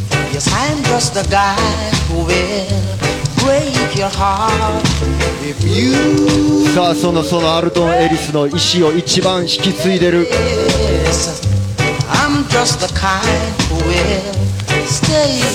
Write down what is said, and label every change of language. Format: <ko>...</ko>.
<en>Yes, I'm just the guy who will break your heart if you.</en> <ja>さあそのアルトン・エリスの意思を一番引き継いでる。</ja> <en>Yes, I'm just the kind who will stay.</en>